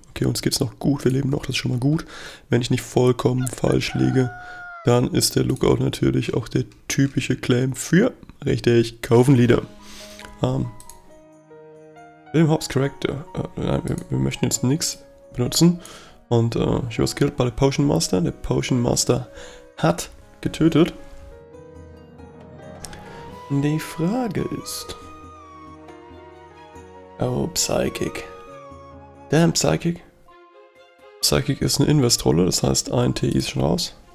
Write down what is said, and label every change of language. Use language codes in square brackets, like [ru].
[de] Okay, uns geht's noch gut, wir leben noch, das ist schon mal gut. Wenn ich nicht vollkommen falsch liege, dann ist der Lookout natürlich auch der typische Claim für, richtig, Coven-Leader. William Hobbs Character. Nein, wir möchten jetzt nichts benutzen. [en] Und she was killed by the Potion Master. [de] Der Potion Master hat getötet. Die Frage ist... Oh, Psychic. Damn, Psychic. Psychic ist eine Investrolle, das heißt, ein TI ist schon raus.